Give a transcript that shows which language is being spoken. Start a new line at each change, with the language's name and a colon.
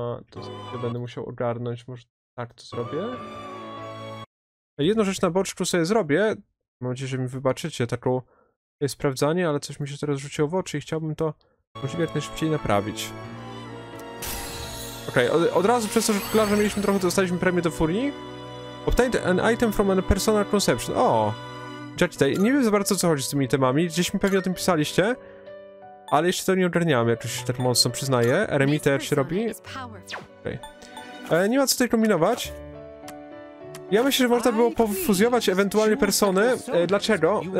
Polish: To sobie będę musiał ogarnąć, może tak to zrobię. Jedną rzecz na boczku sobie zrobię. Mam nadzieję, że mi wybaczycie takie sprawdzanie, ale coś mi się teraz rzuciło w oczy i chciałbym to możliwie jak najszybciej naprawić. Okej, okay, od razu przez to, że kuglarza mieliśmy trochę, dostaliśmy premię do furii.
English: Obtained an item from a personal conception. O!
Polish: Jackie, nie wiem za bardzo co chodzi z tymi itemami, gdzieś mi pewnie o tym pisaliście. Ale jeszcze to nie ogarniałem, jak już się tak mocno przyznaję. Eremita jak się robi. Okej. Okay. Nie ma co tutaj kombinować. Ja myślę, że można było pofuzjować ewentualnie persony. Dlaczego?